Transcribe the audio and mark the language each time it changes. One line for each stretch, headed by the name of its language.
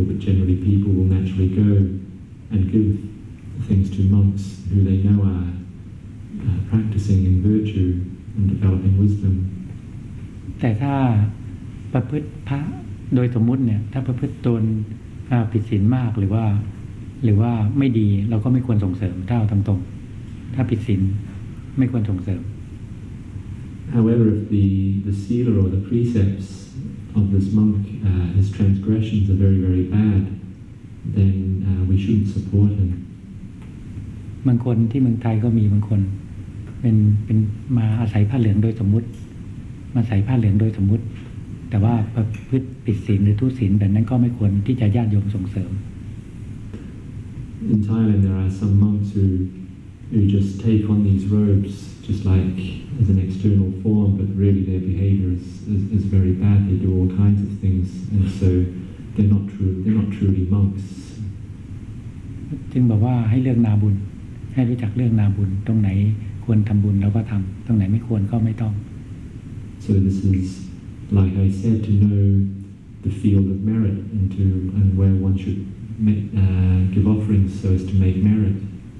English: But generally people will naturally go and give things to monks who they know are practicing in virtue and developing wisdom.
Thai: แต่ถ้าประพฤติพระโดยสมมุติเนี่ยถ้าประพฤติตนผิดศีลมากหรือว่าไม่ดีเราก็ไม่ควรส่งเสริมถ้าเอาตรงๆถ้าผิดศีลไม่ควรส่งเสริม
English: However if the sila or the precepts of this monk his transgressions are very very bad then we shouldn't support him
Thai: บางคนที่เมืองไทยก็มีบางคนเป็นมาอาศัยผ้าเหลืองโดยสมมุติมาใส่ผ้าเหลืองโดยสมมุติแต่ว่าประพฤติผิดศีลหรือทุศีลแบบนั้นก็ไม่ควรที่จะญาติโยมส่งเสริม
English: In Thailand there are some monks who just take on these robes just like as an external form but really their behavior is very bad they do all kinds of things and so they're not truly monks
Thai: จึงบอกว่าให้เลือกนาบุญให้รู้จักเรื่องนาบุญตรงไหนควรทำบุญแล้วก็ทำตรงไหนไม่ควรก็ไม่ต้อง
English: So this is like I said to know the field of merit and where one should make, give offerings so as to make merit